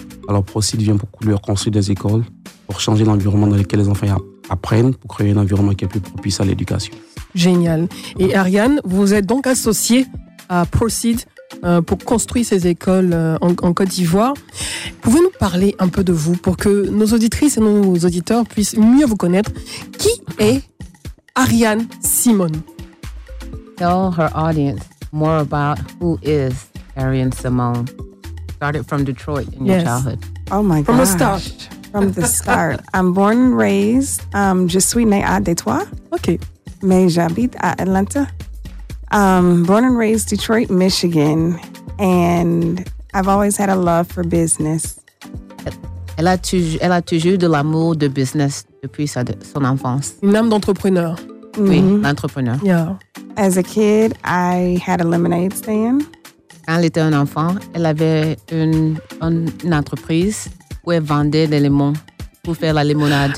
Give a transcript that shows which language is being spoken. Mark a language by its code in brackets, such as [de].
[fr] Alors, Proceed vient pour leur construire des écoles, pour changer l'environnement dans lequel les enfants apprennent, pour créer un environnement qui est plus propice à l'éducation. Génial. Et Ariane, vous êtes donc associée à Proceed pour construire ces écoles en Côte d'Ivoire. Pouvez-vous nous parler un peu de vous pour que nos auditrices et nos auditeurs puissent mieux vous connaître? Qui est Ariane Simone? [en] Tell her audience more about who is Ariane Simone. Started from Detroit in your childhood. Oh my from gosh. From the start. From the start. I'm born and raised, [fr] je suis née à Detroit. [en] Okay. [fr] Mais j'habite à Atlanta. [en] Born and raised Detroit, Michigan. And I've always had a love for business. [fr] Elle a toujours de l'amour de business depuis son enfance. Une âme d'entrepreneur. Oui, l'entrepreneur. Yeah. [en] As a kid, I had a lemonade stand. [fr] Quand elle était un enfant, elle avait une entreprise où elle vendait des limons pour faire la limonade.